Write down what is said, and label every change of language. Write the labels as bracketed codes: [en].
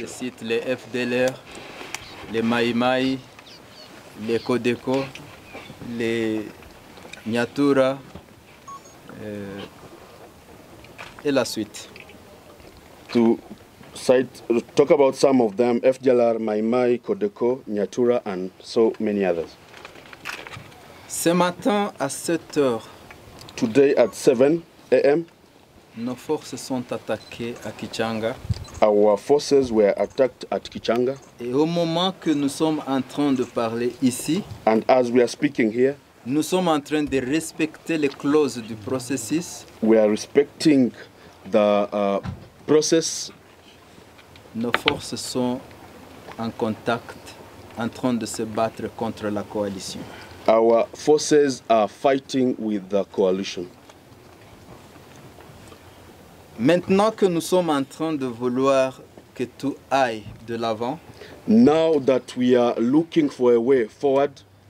[fr] Je cite les FDLR, les Mai Mai, les Codeco, les Nyatura, et la suite. [en] To cite, talk about some of them: FDLR, Mai Mai, Codeco, Nyatura, and so many others. [fr] Ce matin à 7h. [en] Today at 7 a.m. [fr] Nos forces sont attaquées à Kichanga. [en] Our forces were attacked at Kichanga. [fr] Et au moment que nous sommes en train de parler ici, [en] and as we are speaking here, [fr] nous sommes en train de respecter les clauses du processus. [en] We are respecting the process. [fr] Nos forces sont en contact, en train de se battre contre la coalition. [en] Our forces are fighting with the coalition. [fr] Maintenant que nous sommes en train de vouloir que tout aille de l'avant, [en] now that we are looking for a way forward,